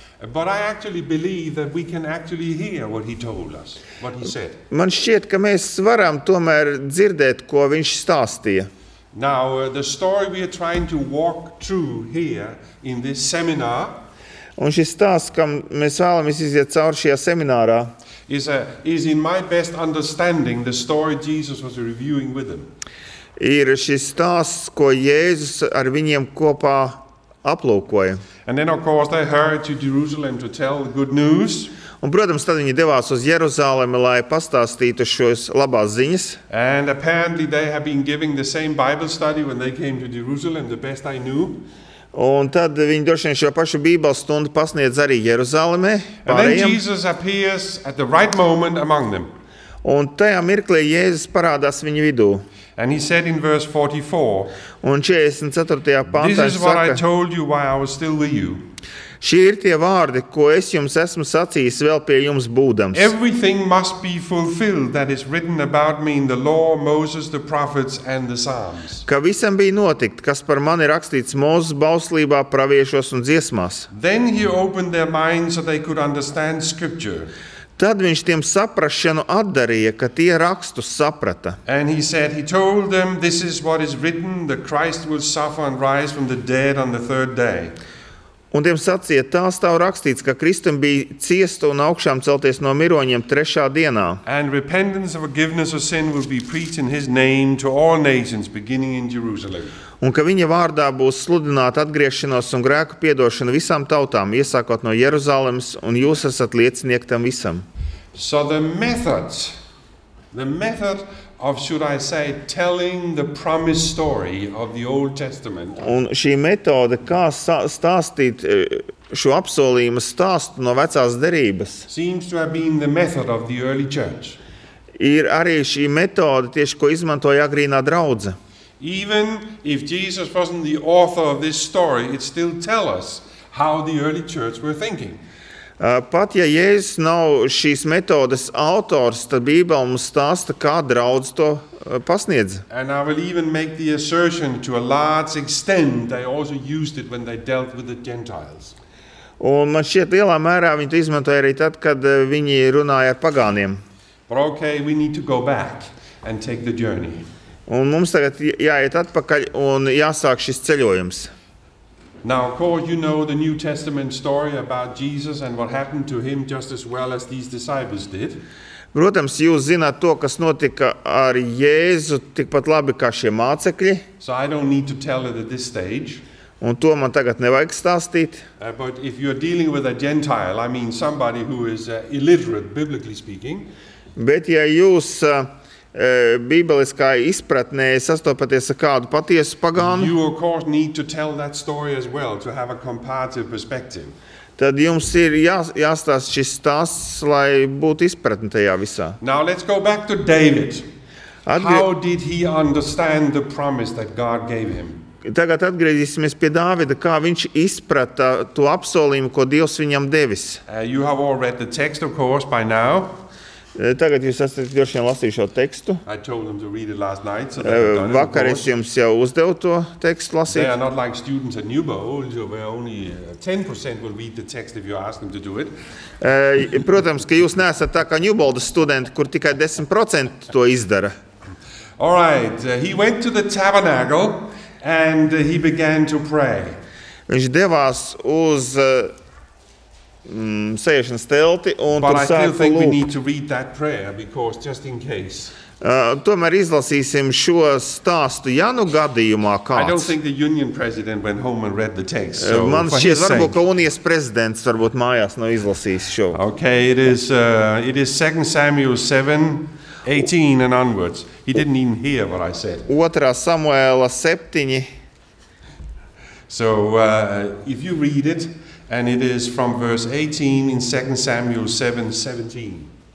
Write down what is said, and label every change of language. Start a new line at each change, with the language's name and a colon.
English: But I actually believe that we can actually hear what he told us, what he said.
Latvian: Man šķiet, ka mēs varam tomēr dzirdēt, ko viņš stāstīja.
English: Now, the story we are trying to walk through here in this seminar.
Latvian: Un šis stāsts, kam mēs vēlamies iziet cauri šajā seminārā,
English: is in my best understanding the story Jesus was reviewing with them.
Latvian: Ir šis stāsts, ko Jēzus ar viņiem kopā aplūkoja.
English: And then of course they hurried to Jerusalem to tell the good news.
Latvian: Un, protams, tad viņi devās uz Jeruzalemi, lai pastāstītu šos labās ziņas.
English: And apparently they have been giving the same Bible study when they came to Jerusalem, the best I knew.
Latvian: Un tad viņi droši vien šo pašu Bībeles stundu pasniedz arī Jeruzalemē.
English: And then Jesus appears at the right moment among them.
Latvian: Un tajā mirklī Jēzus parādās viņu vidū.
English: And he said in verse 44.
Latvian: Un 44. Pantā saka.
English: This is what I told you while I was still with you.
Latvian: Šī ir tie vārdi, ko es jums esmu sacījis vēl pie jums būdams.
English: Everything must be fulfilled that is written about me in the law, Moses, the prophets and the Psalms.
Latvian: Ka visam bija notikt, kas par mani rakstīts Mozes bauslībā, praviešos un dziesmās.
English: Then he opened their minds so they could understand scripture.
Latvian: Tad viņš tiem saprašanu atdarīja, ka tie rakstus saprata.
English: And he said, he told them, this is what is written, the Christ will suffer and rise from the dead on the third day.
Latvian: Un tiem sacīja, tā stāv rakstīts, ka Kristam bija ciest un augšām celties no miroņiem trešā dienā.
English: And repentance and forgiveness of sin will be preached in his name to all nations beginning in Jerusalem.
Latvian: Un ka viņa vārdā būs sludināta atgriešanos un grēku piedošana visām tautām, iesākot no Jeruzalemes, un jūs esat liecinieki tam visam.
English: So the method of, should I say, telling the promised story of the Old Testament.
Latvian: Un šī metode, kā stāstīt šo apsolījumu stāstu no vecās derības,
English: seems to have been the method of the early church.
Latvian: Ir arī šī metode, tieši ko izmantoja agrīnā draudze.
English: Even if Jesus wasn't the author of this story, it still tells us how the early church were thinking.
Latvian: Pat ja Jēzus nav šīs metodes autors, tad Bībele mums stāsta, kā draudz to pasniedz.
English: And I will even make the assertion to a large extent they also used it when they dealt with the Gentiles.
Latvian: Un man šķiet lielā mērā viņi to izmantoja arī tad, kad viņi runāja ar pagāniem.
English: But okay, we need to go back and take the journey.
Latvian: Un mums tagad jāiet atpakaļ un jāsāk šis ceļojums.
English: Now, of course, you know the New Testament story about Jesus and what happened to him just as well as these disciples did.
Latvian: Protams, jūs zināt to, kas notika ar Jēzu tikpat labi kā šie mācekļi.
English: So I don't need to tell it at this stage.
Latvian: Un to man tagad nevajag stāstīt.
English: But if you're dealing with a Gentile, I mean somebody who is illiterate, biblically speaking.
Latvian: Bet ja jūs bībeliskā izpratnē sastopaties ar kādu patiesu pagānu.
English: You of course need to tell that story as well to have a comparative perspective.
Latvian: Tad jums ir jāstāst šis stāsts, lai būtu izpratni tajā visā.
English: Now let's go back to David. How did he understand the promise that God gave him?
Latvian: Tagad atgriezīsimies pie Dāvida, kā viņš izprata to apsolījumu, ko Dievs viņam devis.
English: You have all read the text of course by now.
Latvian: Tagad jūs esat droši vien lasījuši šo tekstu.
English: I told them to read it last night, so
Latvian: vakar es jums jau uzdevu to tekstu lasīt.
English: They are not like students at Newbo, where only 10% will read the text if you ask them to do it.
Latvian: Protams, ka jūs neesat tā kā Newboldas studenti, kur tikai 10% to izdara.
English: All right, he went to the tabernacle and he began to pray.
Latvian: Viņš devās uz sēšanas telti un
English: but
Latvian: tur sāka lūkt.
English: But I still think we need to read that prayer because just in case.
Latvian: Tomēr izlasīsim šo stāstu Janu gadījumā kāds.
English: I don't think the union president went home and read the text. So
Latvian: man šķiet, varbūt, ka unijas prezidents varbūt mājās nav izlasījis šo.
English: Okay, it is 2 Samuel 7, 18 and onwards. He didn't even hear what I said.
Latvian: 2. Samuela 7.
English: So, if you read it, and it is from verse 18 in 2 Samuel 7, 17.